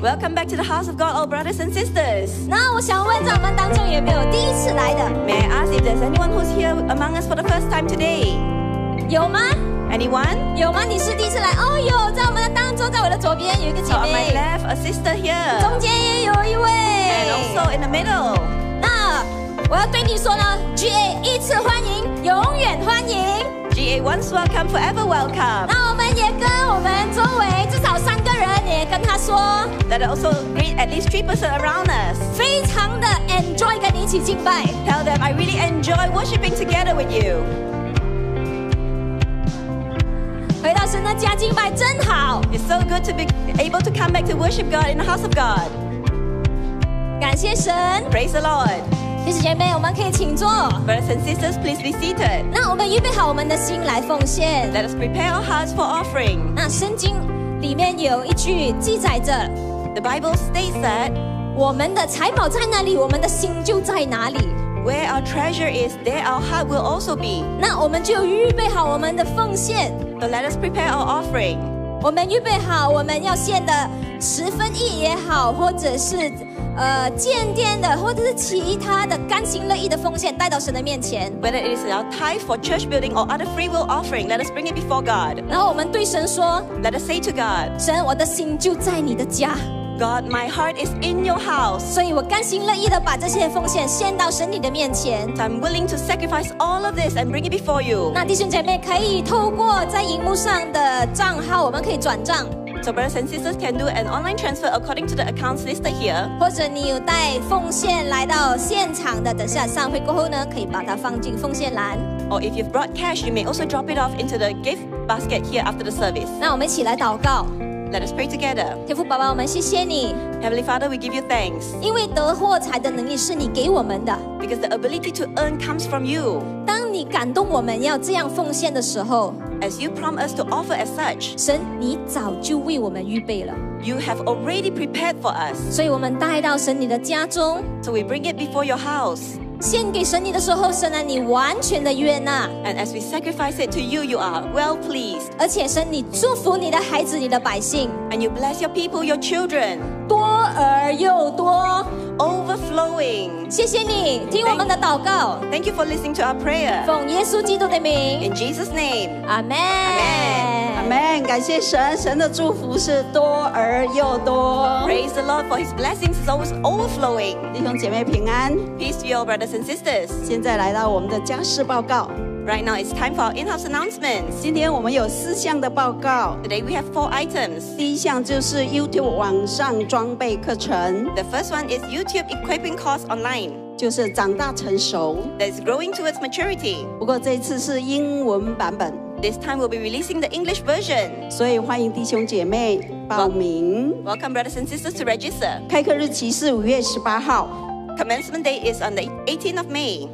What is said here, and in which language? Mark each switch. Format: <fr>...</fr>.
<en>Welcome back to the house of God, all brothers and sisters.</en> <zh>那我想问，在我们当中有没有第一次来的？</zh> <en>May I ask if there's anyone who's here among us for the first time today?</en> <zh>有吗？</zh> <en>Anyone?</en> <zh>有吗？你是第一次来？哦，有，在我们的当中，在我的左边有一个姐妹。</zh> <en>So on my left, a sister here.</en> <zh>中间也有一位。</zh> <en>And also in the middle.</en> <zh>那我要对你说呢 ，GA 一次欢迎，永远欢迎。</zh> <en>GA once welcome, forever welcome.</en> <zh>那我们也跟我们周围至少三个人也跟他说</zh> <en>，That also greet at least three persons around us.</en> <zh>非常的 enjoy 跟你一起敬拜。</zh> <en>Tell them I really enjoy worshiping together with you.</en> <zh>回到神的家敬拜真好。</zh> <en>It's so good to be able to come back to worship God in the house of God.</en> <zh>感谢神。</zh> <en>Praise the Lord.</en> <zh>弟兄姐妹，我们可以请坐。</zh> <en>Brothers and sisters, please be seated.</en> <zh>那我们预备好我们的心来奉献。</zh> <en>Let us prepare our hearts for offering.</en> <zh>那圣经里面有一句记载着</zh> <en>，The Bible states that</en> <zh>我们的财宝在哪里，我们的心就在哪里。</zh> <en>Where our treasure is, there our heart will also be.</en> <zh>那我们就预备好我们的奉献。</zh> <en>So let us prepare our offering.</en> <zh>我们预备好我们要献的十分一也好，或者是。建殿的或者是其他的甘心乐意的奉献带到神的面前</zh> <en>Whether it is our tithe for church building or other free will offering Let us bring it before God</en> <zh>然后我们对神说</zh> <en>Let us say to God</en> <zh>神我的心就在你的家</zh> <en>God my heart is in your house</en> <zh>所以我甘心乐意的把这些奉献献到神你的面前</zh> <en>I'm willing to sacrifice all of this and bring it before you</en> <zh>那弟兄姐妹可以透过在荧幕上的账号我们可以转账</zh> <en>So brothers and sisters can do an online transfer according to the accounts listed here.</en> <zh>或者你有带奉献来到现场的，等下上会过后呢，可以把它放进奉献栏。</zh> <en>Or if you've brought cash, you may also drop it off into the gift basket here after the service.</en> <zh>那我们一起来祷告。</zh> <en>Let us pray together.</en> <zh>天父爸爸，我们谢谢你。</zh> <en>Heavenly Father, we give you thanks.</en> <zh>因为得获财的能力是你给我们的。</zh> <en>Because the ability to earn comes from you.</en> <zh>当你感动我们要这样奉献的时候。</zh> <en>As you prompt us to offer as such,</en> <zh>神，你早就为我们预备了。</zh> <en>You have already prepared for us.</en> <zh>所以我们带到神你的家中。</zh> <en>So we bring it before your house.</en> <zh>献给神你的时候，神啊，你完全的悦纳。</zh> <en>And as we sacrifice it to you, you are well pleased.</en> <zh>而且神，你祝福你的孩子，你的百姓。</zh> <en>And you bless your people, your children.</en> <zh>多而又多。</zh> <en>Overflowing.</en> <zh>谢谢你听我们的祷告。</zh> <en>Thank you for listening to our prayer.</en> <zh>奉耶稣基督的名。</zh> <en>In Jesus' name. Amen. Amen.</en> <zh>感谢神，神的祝福是多而又多。</zh> <en>Praise the Lord for His blessings is always overflowing.</en> <zh>弟兄姐妹平安。</zh> <en>Peace to you, brothers and sisters.</en> <zh>现在来到我们的家事报告。</zh> <en>Right now, it's time for our in-house announcements.</en> <zh>今天我们有四项的报告。</zh> <en>Today, we have four items.</en> <zh>第一项就是 YouTube 网上装备课程。</zh> <en>The first one is YouTube equipping course online.</en> <zh>就是长大成熟。</zh> <en>That's growing towards maturity.</en> <zh>不过这次是英文版本。</zh> <en>This time, we'll be releasing the English version.</en> <zh>所以欢迎弟兄姐妹报名。</zh> <en>Welcome, brothers and sisters, to register.</en> <zh>开课日期是5月18号。</zh> <en>Commencement day is on the 18th of May.</en>